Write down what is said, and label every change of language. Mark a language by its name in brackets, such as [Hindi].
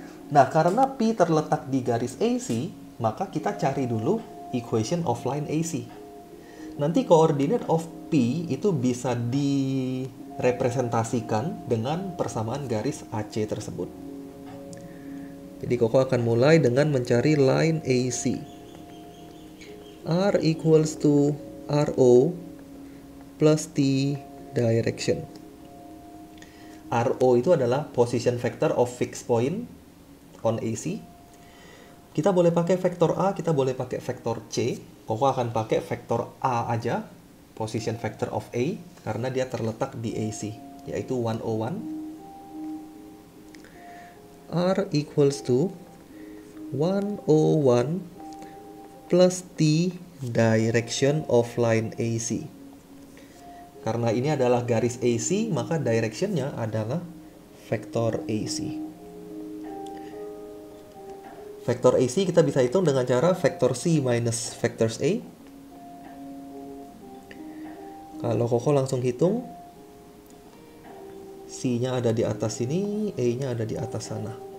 [Indonesian] Nah, karena P terletak di garis AC, maka kita cari dulu [English] equation of line AC. [Indonesian] Nanti koordinat of P itu bisa direpresentasikan dengan persamaan garis AC tersebut. Jadi Koko akan mulai dengan mencari line AC. [English] R equals to RO plus T direction. RO [Indonesian] itu adalah [English] position vector of fixed point on AC. [Indonesian] Kita boleh pakai vektor A, kita boleh pakai vektor C. Koko akan pakai vektor A aja, [English] position vector of A, [Indonesian] karena dia terletak di AC, yaitu 101. [English] R equals to 101 plus T direction of line AC. [Indonesian] Karena ini adalah garis AC, maka directionnya adalah vektor AC. Vektor AC kita bisa hitung dengan cara vektor C minus vektor A. Kalau Koko langsung hitung, C-nya ada di atas sini, A-nya ada di atas sana.